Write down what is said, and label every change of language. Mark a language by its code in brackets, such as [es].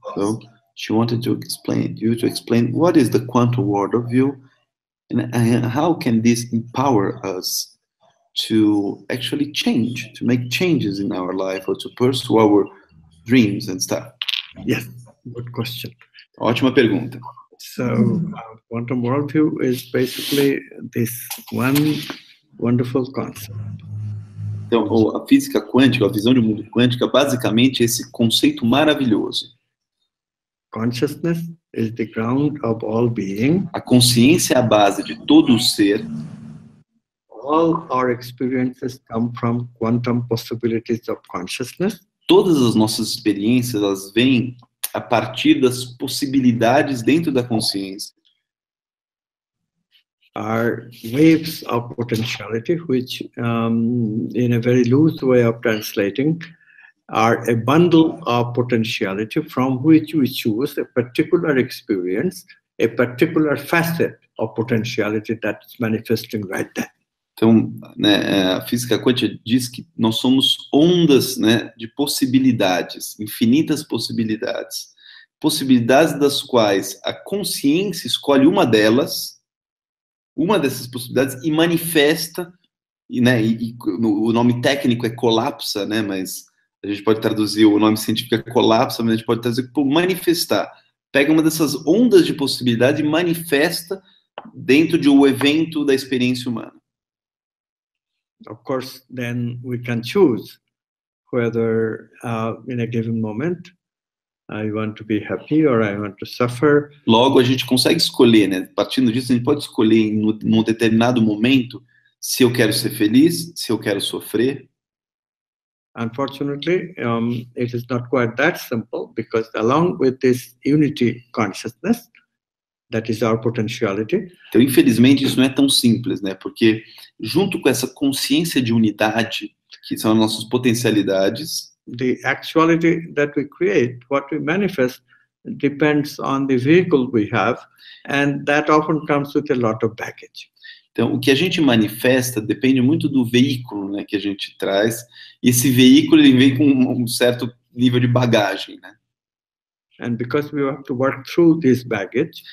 [en] So she wanted to explain you to explain what is the quantum world of view, and how can this empower us to actually change, to make changes in our life or to pursue our dreams and stuff. Yes, good question. [pt] Ótima pergunta. [en] So, quantum worldview is basically this one wonderful concept. [pt] Então, a física quântica, a visão de mundo quântica, basicamente esse conceito maravilhoso. [en] Consciousness is the ground of all being. [pt] A consciência é a base de todo o ser. [en] All our experiences come from quantum possibilities of consciousness. [pt] Todas as nossas experiências, elas vêm a partir das possibilidades dentro da consciência. [en] Are waves of potentiality, which, in a very loose way of translating, are a bundle of potentiality from which we choose a particular experience, a particular facet of potentiality that's manifesting right there. [pt] Então, né, a física quântica diz que nós somos ondas, né, de possibilidades, infinitas possibilidades. Possibilidades das quais a consciência escolhe uma delas, uma dessas possibilidades, e manifesta, e, né, e o nome técnico é colapsa, né, mas a gente pode traduzir o nome científico é colapsa, mas a gente pode traduzir por manifestar. Pega uma dessas ondas de possibilidade e manifesta dentro de um evento da experiência humana. [en] Of course, then we can choose whether in a given moment I want to be happy or I want to suffer. [pt] Logo, a gente consegue escolher, né? Partindo disso, a gente pode escolher num determinado momento se eu quero ser feliz, se eu quero sofrer. [en] Unfortunately, it is not quite that simple, because along with this unity consciousness, that is our potentiality. [pt] Então, infelizmente, isso não é tão simples, né? Porque junto com essa consciência de unidade, que são as nossas potencialidades, [en] the actuality that we create, what we manifest, depends on the vehicle we have, and that often comes with a lot of baggage. [pt] Então, o que a gente manifesta depende muito do veículo, né, que a gente traz, e esse veículo ele vem com um certo nível de bagagem, né? [en] And because we have to work through this baggage,